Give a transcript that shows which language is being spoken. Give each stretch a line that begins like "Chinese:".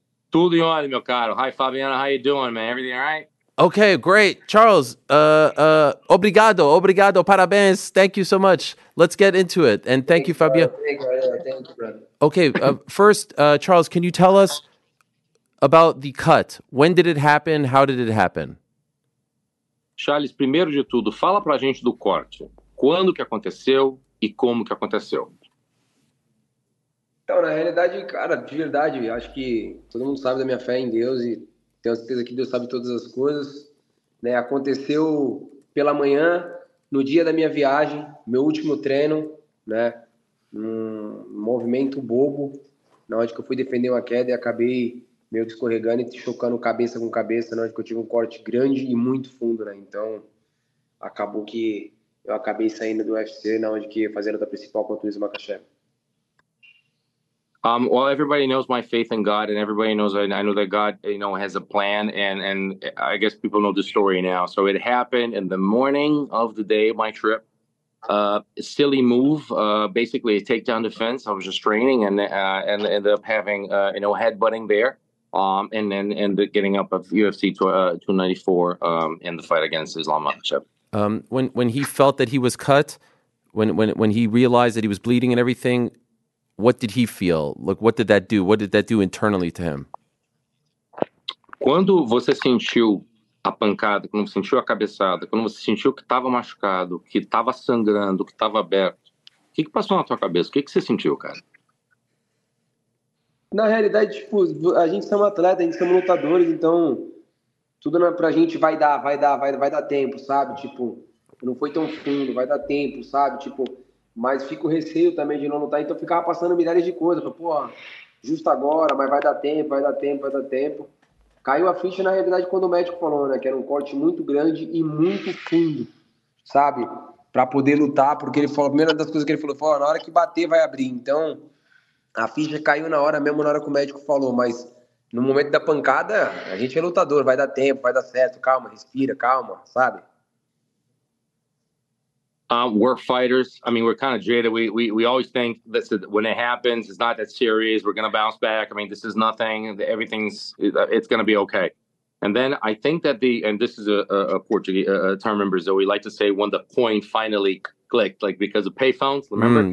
Portuguese: Tudo em ordem, meu caro.
English: Hi, Fabiano. How you doing, man? Everything all right? Okay, great. Charles,
Portuguese: obrigado, parabéns.
English: Thank you so much. Let's get into it. And thank you, Fabio. Thank you, brother. Okay, first, Charles, can you tell us about the cut? When did it happen? How did it happen?
Portuguese: Charles, primeiro de tudo, fala pra gente do corte. Quando que aconteceu e como que aconteceu? Então, na realidade, cara, de verdade, acho que todo mundo sabe da minha fé em Deus e tenho certeza que Deus sabe todas as coisas. Né? Aconteceu pela manhã, no dia da minha viagem, meu último treino, né? Um movimento bobo, na hora que eu fui defender uma queda e acabei meio que escorregando e chocando cabeça com cabeça, né? Que eu tive um corte grande e muito fundo, né? Então, acabou que eu acabei saindo do UFC, né? Onde que ia fazer a luta principal contra o Islam Makhachev.
English: Well, everybody knows my faith in God, and everybody knows I know that God, you know, has a plan, and I guess people know the story now. So it happened in the morning of the day of my trip. Silly move, basically a takedown defense. I was just training and ended up having, you know, headbutting there. And the getting up of UFC 294 in the fight against Islam Makhachev. When he felt that he was cut, when he realized that he was bleeding and everything, what did he feel? Like, what did that do? What did that do internally to him?
Portuguese: Quando você sentiu a pancada, quando você sentiu a cabeçada, quando você sentiu que estava machucado, que estava sangrando, que estava aberto, o que passou na tua cabeça? O que você sentiu, cara? Na realidade, tipo, a gente somos atletas, a gente somos lutadores, então tudo pra gente vai dar tempo, sabe? Tipo, não foi tão fundo, vai dar tempo, sabe? Tipo, mas fico receio também de não lutar, então ficava passando milhares de coisas, pô, justo agora, mas vai dar tempo. Caiu a ficha, na realidade, quando o médico falou, né, que era um corte muito grande e muito fundo, sabe? Pra poder lutar, porque ele falou, a primeira das coisas que ele falou, foi, na hora que bater vai abrir, então a ficha caiu na hora mesmo, na hora que o médico falou, mas no momento da pancada, a gente é lutador, vai dar tempo, vai dar certo, calma, respira, calma, sabe?
English: We're fighters. I mean, we're kind of jaded. We always think that when it happens, it's not that serious. We're going to bounce back. I mean, this is nothing. It's going to be okay. And then I think that and this is a Portuguese a term in Brazil, we like to say when the coin finally clicked, like because of payphones, remember?